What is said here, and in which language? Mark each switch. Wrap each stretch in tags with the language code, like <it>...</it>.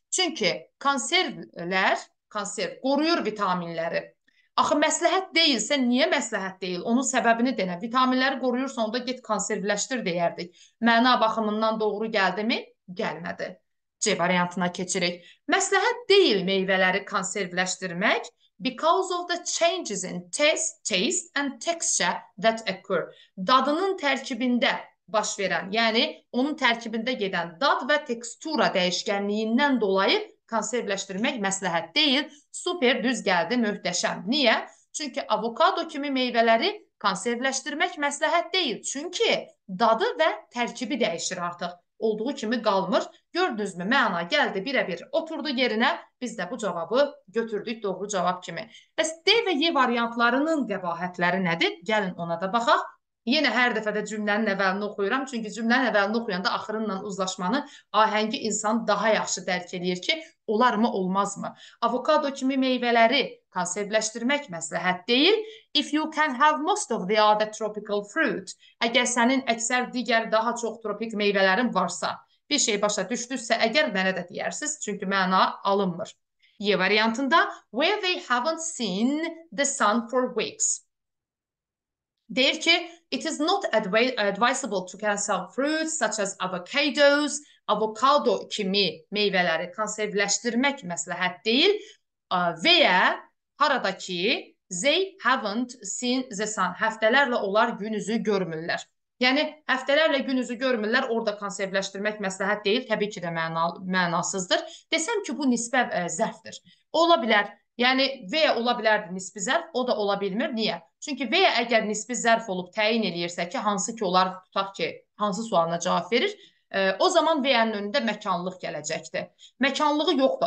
<az>Çünki konserv qoruyur vitaminləri. Axı məsləhət deyilsə niyə məsləhət deyil? Onun səbəbini denə. Vitaminləri qoruyursa onda get konservləşdir deyərdik. Məna baxımından doğru gəldi mi? Gəlmədi. C variantına keçirik. Məsləhət deyil meyvələri konservləşdirmək.</az> <en>Because of the changes in taste and texture that occur.</en> <az>Dadının tərkibində baş verən, yəni onun tərkibində gedən dad və tekstura dəyişkənliyindən dolayı konservləşdirmək məsləhət deyil. Super, düz gəldi, möhtəşəm. Niyə? Çünki avokado kimi meyvələri konservləşdirmək məsləhət deyil. Çünki dadı və tərkibi dəyişir artıq. Olduğu kimi qalmır. Gördünüz mü? Məna gəldi, birə-bir oturdu yerinə. Biz də bu cavabı götürdük doğru cavab kimi. Bəs D və Y variantlarının qəbahətləri nədir? Gəlin ona da baxaq. Yenə hər dəfə də cümlənin əvvəlini oxuyuram. Çünki cümlənin əvvəlini oxuyanda axırınla uzlaşmanı ahəngi insan daha yaxşı dərk edir ki, olar mı, olmaz mı? Avokado kimi meyvələri konservləşdirmək məsləhət deyil.</az> <en>If you can have most of the other tropical fruit,</en> <az>əgər sənin əksər digər daha çox tropik meyvələrin varsa, bir şey başa düşdüsə, əgər mənə də deyərsiz, çünki məna alınmır.</az> <en>Y variantında where they haven't seen the sun for weeks.</en> <az>Deyir ki,</az> <en>it is not advisable to consume fruits such as avocados.</en> <az>Avokado kimi meyvələri konservləşdirmək məsləhət deyil. Veya harada ki,</az> <en>they haven't seen the sun.</en> <az>Həftələrlə onlar gün üzü görmürlər. Yəni, həftələrlə gün üzü görmürlər, orada konservləşdirmək məsləhət deyil. Təbii ki də mənasızdır. Desəm ki, bu nisbə zərfdir. Ola bilər. Yəni, veya ola bilərdi nisbi zərf, o da ola bilmir. Niyə? Çünki veya əgər nisbi zərf olub təyin edirsə ki, hansı ki onlar tutaq ki, hansı sualına cavab verir, o zaman veyanın önündə məkanlıq gələcəkdir. Məkanlığı yoxdur.</az>